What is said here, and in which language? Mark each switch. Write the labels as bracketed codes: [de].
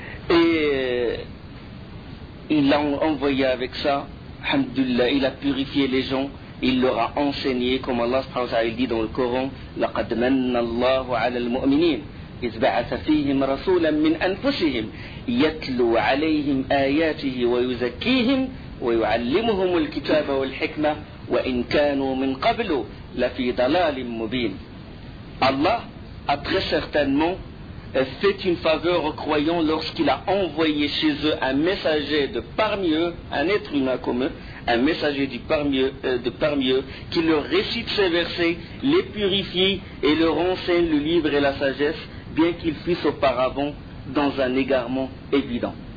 [fr] Et il l'a envoyé avec ça, alhamdoulilah, il a purifié les gens, il leur a enseigné, comme Allah subhanahu wa ta'ala dit dans le Coran, [ar] لَقَدْ مَنَّ اللَّهُ عَلَى الْمُؤْمِنِينَ إِذْ بَعَثَ فِيهِمْ رَسُولًا مِّنْ أَنفُسِهِمْ يَتْلُوا عَلَيْهِمْ آيَاتِهِ وَيُزَكِّيهِمْ وَيُعَلِّمُهُمُ الْكِتَابَ وَالْحِكْمَةِ وإن كانوا من قبل لفي ضلال مبين. [fr] Allah a très certainement fait une faveur aux croyants lorsqu'il a envoyé chez eux un messager de parmi eux, un être humain comme eux, un messager de parmi eux, qui leur récite ces versets, les purifie et leur enseigne le livre et la sagesse, bien qu'ils fussent auparavant dans un égarement évident.